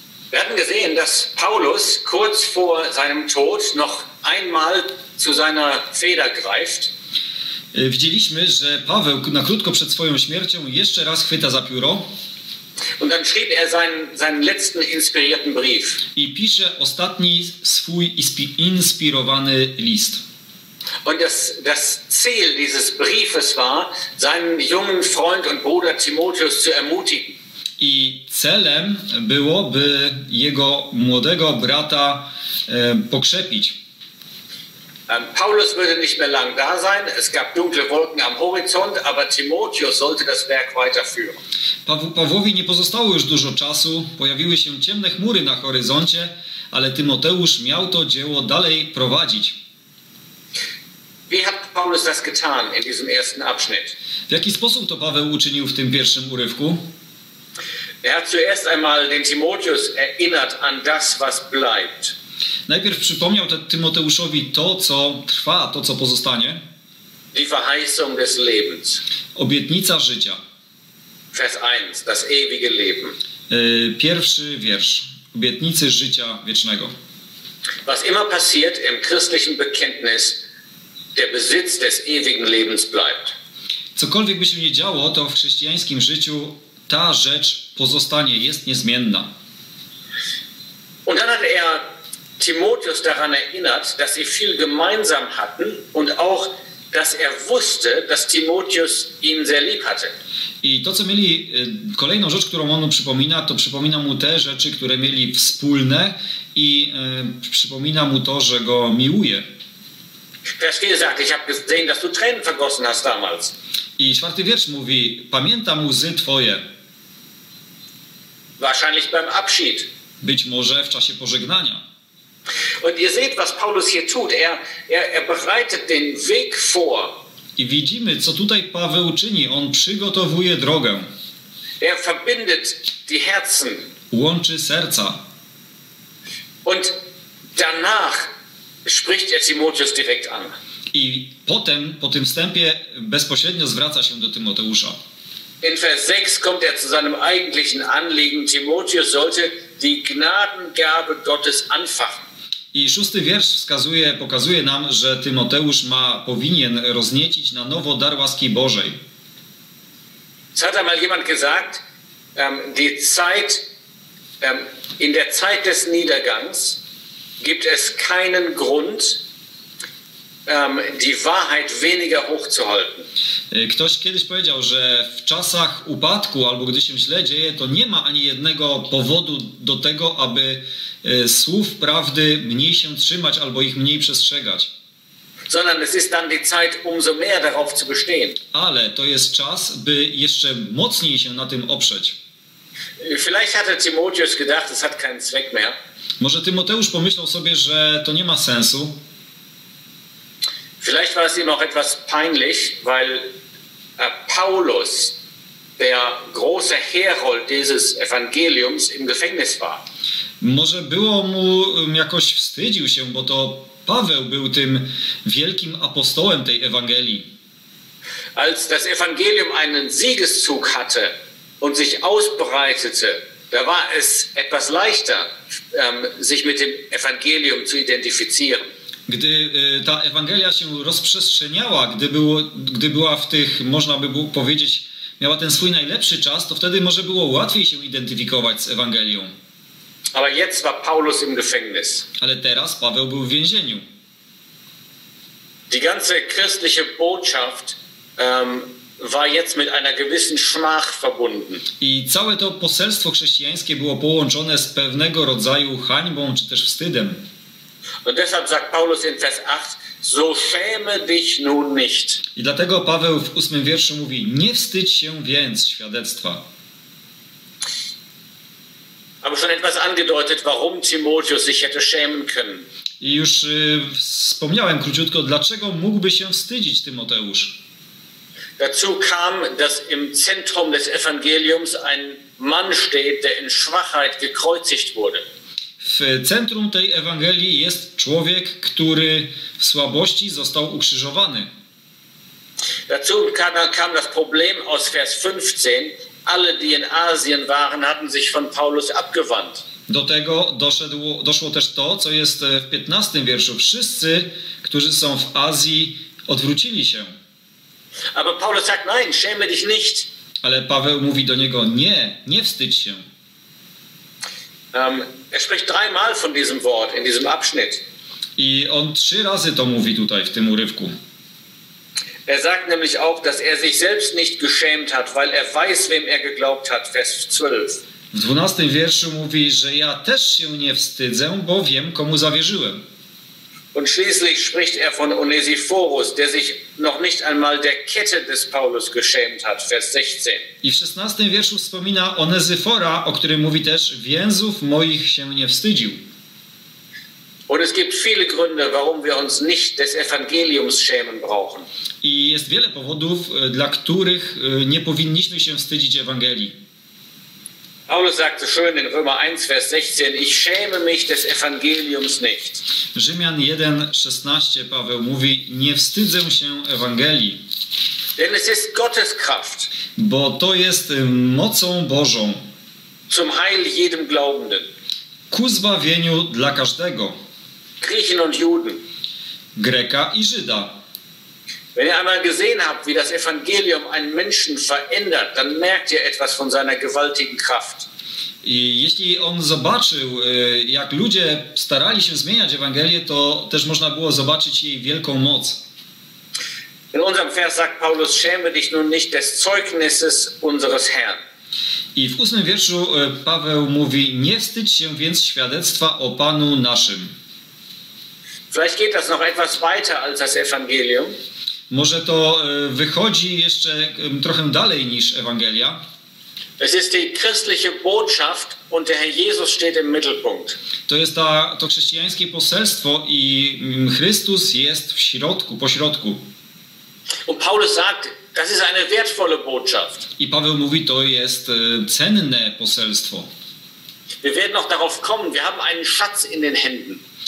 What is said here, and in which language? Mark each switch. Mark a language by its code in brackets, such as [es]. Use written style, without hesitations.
[de] Wir hatten gesehen, dass Paulus kurz vor seinem Tod noch einmal zu seiner Feder greift. [pl] Widzieliśmy, że Paweł na krótko przed swoją śmiercią jeszcze raz chwyta za pióro. [de] Und dann schrieb er seinen letzten inspirierten Brief. [pl] I pisze ostatni swój inspirowany list. [de] Und das Ziel dieses Briefes war, seinen jungen Freund und Bruder Timotheus zu ermutigen. [pl] I celem było, by jego młodego brata pokrzepić. [de] Paulus würde nicht mehr lang da sein. Es gab dunkle Wolken am Horizont, aber Timotheus sollte das Werk weiterführen. [pl] Pawłowi nie pozostało już dużo czasu. Pojawiły się ciemne chmury na horyzoncie, ale Tymoteusz miał to dzieło dalej prowadzić. [de] Wie hat Paulus das getan in diesem ersten Abschnitt? [pl] W jaki sposób to Paweł uczynił w tym pierwszym urywku? [de] Er hat zuerst einmal den Timotheus erinnert an das, was bleibt. [pl] Najpierw przypomniał Tymoteuszowi to, co trwa, to, co pozostanie. [de] Die Verheißung des Lebens. [pl] Obietnica życia. [de] Vers 1, das ewige Leben. [pl] Pierwszy wiersz. Obietnicy życia wiecznego. [de] Was immer passiert im christlichen Bekenntnis, der Besitz des ewigen Lebens bleibt. [pl] Cokolwiek by się nie działo, to w chrześcijańskim życiu ta rzecz pozostanie, jest niezmienna. [de] Und dann hat er Timotheus daran erinnert, dass sie viel gemeinsam hatten und auch, dass er wusste, dass Timotheus ihn sehr lieb hatte. [pl] I to, co mieli, kolejną rzecz, którą on przypomina, to przypomina mu te rzeczy, które mieli wspólne i przypomina mu to, że go miłuje. [de] Vers 4 sagt, ich habe gesehen, dass du Tränen vergossen hast damals. [pl] I czwarty wiersz mówi, pamiętam łzy twoje. [de] Wahrscheinlich beim Abschied. [pl] Być może w czasie pożegnania. [de] Und ihr seht, was Paulus hier tut. Er bereitet den Weg vor. [pl] I widzimy, co tutaj Paweł czyni. On przygotowuje drogę. [de] Er verbindet die Herzen. [pl] Łączy serca. [de] Und danach spricht er Timotheus direkt an. [pl] I potem, po tym wstępie, bezpośrednio zwraca się do Tymoteusza. [de] In Vers 6 kommt er zu seinem eigentlichen Anliegen. Timotheus sollte die Gnadengabe Gottes anfachen. [pl] I szósty wiersz wskazuje, pokazuje nam, że Tymoteusz ma, powinien rozniecić na nowo dar łaski Bożej. [de] Es hat einmal jemand gesagt, die Zeit, in der Zeit des Niedergangs gibt es keinen Grund, die Wahrheit weniger hochzuhalten. [pl] Ktoś kiedyś powiedział, że w czasach upadku albo gdy się źle dzieje, to nie ma ani jednego powodu do tego, aby słów prawdy mniej się trzymać albo ich mniej przestrzegać. [de] Sondern es ist dann die Zeit, umso mehr darauf zu bestehen. [pl] Ale to jest czas, by jeszcze mocniej się na tym oprzeć. [de] Vielleicht hatte Timotheus gedacht, es hat keinen Zweck mehr. [pl] Może Tymoteusz pomyślał sobie, że to nie ma sensu. [de] Vielleicht war es ihm auch etwas peinlich, weil Paulus, der große Herold dieses Evangeliums, im Gefängnis war. [pl] Może było mu jakoś wstydził się, bo to Paweł był tym wielkim apostołem tej Ewangelii. [de] Als das Evangelium einen Siegeszug hatte und sich ausbreitete, da war es etwas leichter, sich mit dem Evangelium zu identifizieren. [pl] Gdy ta Ewangelia się rozprzestrzeniała, gdy była w tych, można by było powiedzieć, miała ten swój najlepszy czas, to wtedy może było łatwiej się identyfikować z Ewangelią. [de] Aber jetzt war Paulus im Gefängnis. [pl] Ale teraz Paweł był w więzieniu. [de] Die ganze christliche Botschaft war jetzt mit einer gewissen Schmach verbunden. [pl] I całe to poselstwo chrześcijańskie było połączone z pewnego rodzaju hańbą czy też wstydem. [de] Und deshalb sagt Paulus in Vers 8, so schäme dich nun nicht. [pl] I dlatego Paweł w 8 wierszu mówi, nie wstydź się więc świadectwa. [de] Aber schon etwas angedeutet, warum Timotheus sich hätte schämen können. [pl] I już wspomniałem króciutko, dlaczego mógłby się wstydzić Tymoteusz. [de] Dazu kam, dass im Zentrum des Evangeliums ein Mann steht, der in Schwachheit gekreuzigt wurde. [pl] W centrum tej Ewangelii jest człowiek, który w słabości został ukrzyżowany. [de] Dazu kam das Problem aus Vers 15. Alle, die in Asien waren, hatten sich von Paulus abgewandt. [pl] Do tego doszło też to, co jest w 15 wierszu. Wszyscy, którzy są w Azji, odwrócili się. [de] Aber Paulus sagt, nein, schäme dich nicht. [pl] Ale Paweł mówi do niego, nie, nie wstydź się. [de] Er spricht dreimal von diesem Wort in diesem Abschnitt. [pl] I on trzy razy to mówi tutaj w tym urywku. [de] Er sagt nämlich auch, dass er sich selbst nicht geschämt hat, weil er weiß, wem er geglaubt hat, Vers 12. [pl] W 12 wierszu mówi, że ja też się nie wstydzę, bo wiem, komu zawierzyłem. [de] Und schließlich spricht er von Onesiphorus, der sich noch nicht einmal der Kette des Paulus geschämt hat, Vers 16. [pl] I w 16 wierszu wspomina Onesyfora, o którym mówi też, więzów moich się nie wstydził. [de] Und es gibt viele Gründe, warum wir uns nicht des Evangeliums schämen brauchen. [pl] I jest wiele powodów, dla których nie powinniśmy się wstydzić Ewangelii. [de] Paulus sagte schön in Römer 1, Vers 16, ich schäme mich des Evangeliums nicht. [pl] Rzymian 1, 16 Paweł mówi, nie wstydzę się Ewangelii. [de] Denn es ist Gottes Kraft. [pl] Bo to jest mocą Bożą. [de] Zum Heil jedem Glaubenden. [pl] Ku zbawieniu dla każdego. [de] Griechen und Juden. [pl] Greka i Żyda. [de] Wenn ihr einmal gesehen habt, wie das Evangelium einen Menschen verändert, dann merkt ihr etwas von seiner gewaltigen Kraft. [pl] I jeśli on zobaczył, jak ludzie starali się zmieniać Ewangelię, to też można było zobaczyć jej wielką moc. [de] In unserem Vers sagt Paulus, schäme dich nun nicht des Zeugnisses unseres Herrn. [pl] I w 8 wierszu Paweł mówi, nie wstydź się więc świadectwa o Panu naszym. [de] Vielleicht geht das noch etwas weiter als das Evangelium. [pl] Może to wychodzi jeszcze trochę dalej niż Ewangelia. [de] Es ist die christliche Botschaft und der Herr Jesus steht im Mittelpunkt. [pl] To jest to chrześcijańskie poselstwo i Chrystus jest w środku, pośrodku. [de] Und Paulus sagt, das ist eine wertvolle Botschaft. [pl] I Paweł mówi, to jest cenne poselstwo. [de] Wir werden noch darauf kommen, wir haben einen Schatz in den Händen.